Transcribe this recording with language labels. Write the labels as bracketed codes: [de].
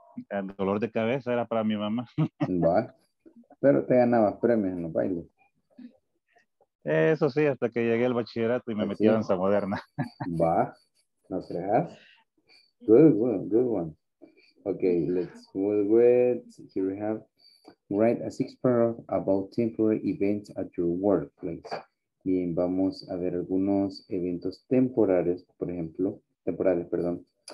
[es] El dolor de cabeza era para mi mamá. Va, pero te ganabas premios en los bailes. Eso sí, hasta que llegué al bachillerato y me metí en danza moderna. Va, no creas. [en] Good one. Okay, let's move with, here we have, write a six paragraph about temporary events at your workplace. [es] Bien, vamos a ver algunos eventos temporales, por ejemplo, temporales, perdón.